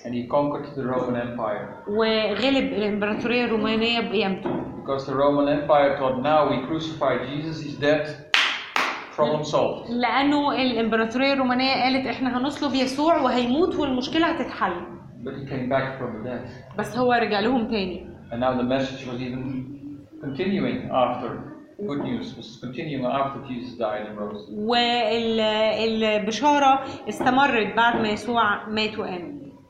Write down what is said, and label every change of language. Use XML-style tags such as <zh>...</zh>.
<en>And he conquered the Roman Empire.</en> <ar>وغلب الإمبراطورية الرومانية بقيامته.</ar> <en>Because the Roman Empire thought now we crucify Jesus, he's dead. Problem solved.</en> <ar>لأنه الإمبراطورية الرومانية قالت إحنا هنصلب يسوع وهيموت والمشكلة هتتحل.</ar> <en>But he came back from the dead.</en> <ar>بس هو رجع لهم تاني.</ar> <en>And now the message was even continuing after. Good news was continuing after Jesus died and rose.</en> <ar>والبشارة استمرت بعد ما يسوع مات وقام.</ar>